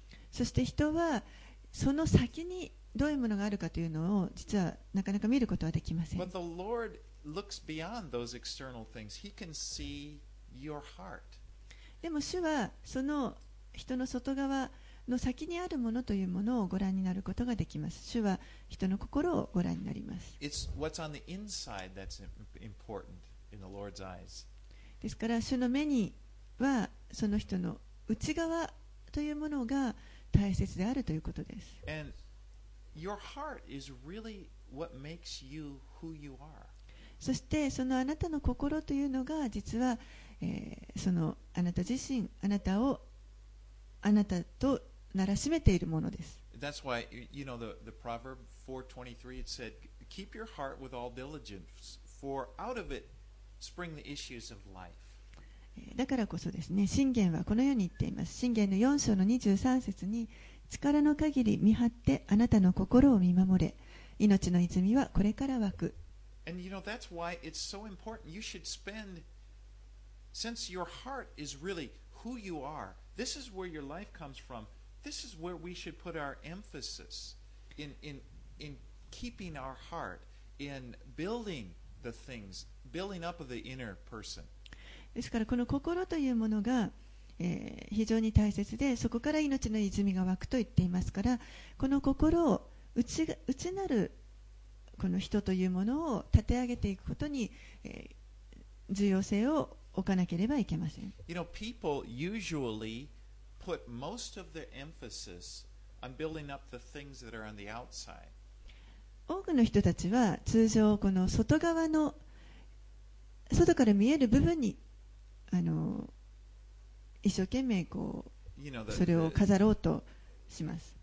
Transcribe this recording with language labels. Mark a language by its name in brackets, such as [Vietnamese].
[Japanese] そして人はその先にどういうものがあるかというのを実はなかなか見ることはできません。 [English] But the Lord looks beyond those external things. He can see your heart. [Japanese] でも主はその人の外側の先にあるものというものをご覧になることができます。主は人の心をご覧になります。 [English] It's what's on the inside that's important in the Lord's eyes. [Japanese] ですから主の目にはその人の内側というものが大切であるということです。 [English] And your heart is really what makes you who you are. [Japanese] そしてそのあなたの心というのが実は、そのあなた自身、あなたをあなたとならしめているものです。 [English] That's why, you know, the Proverb 4:23 it said, "Keep your heart with all diligence, for out of it spring the issues of life." [Japanese] だからこそですね、箴言はこのように言っています。箴言の4章の23節に、力の限り見張ってあなたの心を見守れ、命の泉はこれから湧く。 [English] And you know, that's why it's so important. You should spend, since your heart is really who you are. This is where your life comes from. This is where we should put our emphasis in keeping our heart, in building the things, building up the inner person. [Japanese] ですからこの心というものが、非常に大切で、そこから命の泉が湧くと言っていますから、この心を内なるこの人というものを立て上げていくことに、重要性を置かなければいけません。 [English] You know, people usually put most of their emphasis on building up the things that are on the outside. [Japanese] 多くの人たちは通常この外側の外から見える部分に一生懸命こうそれを飾ろうとします。